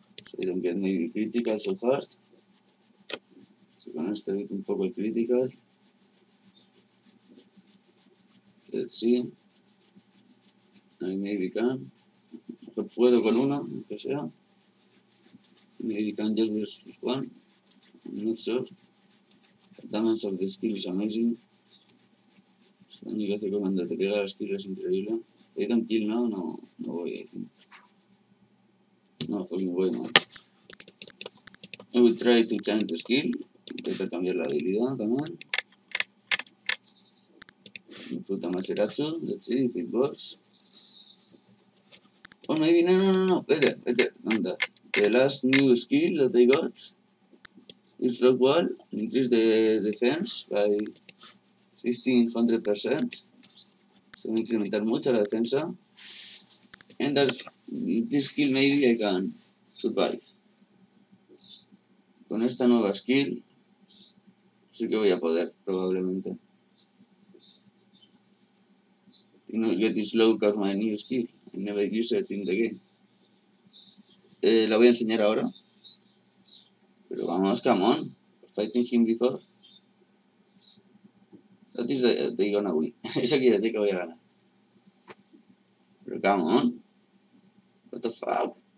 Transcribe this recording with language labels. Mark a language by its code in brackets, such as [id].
[en] So I don't get any critical so fast. [es] So con esto evito un poco el critical. [en] Let's see. I maybe can. [es] Yo puedo con uno, aunque sea. [en] Maybe can just be one. I'm not sure. The damage of the skill is amazing. [es] Es lo único que hace cuando te pega la skill es increíble. [en] I don't kill now, no, [es] no voy, [en] I think. No, fucking way, man. I will try to change the skill. [es] Intenta cambiar la habilidad también. Me puta [en] Maserazzo, let's see if it works. Oh, maybe, no, better, better, [es] anda. [en] The last new skill that they got is Rock Wall, increase the defense by 1500%. [es] Se va a incrementar mucho la defensa. [en] And this skill maybe I can survive. [es] Con esta nueva skill, sí que voy a poder, probablemente. [en] Do not get this low because my new skill. I never use it in the game. [es] La voy a enseñar ahora. Pero vamos, [en] come on. Fighting him before. That is the gonna win. [es] Eso quiere decir que voy a ganar. Pero [en] come on. What the fuck?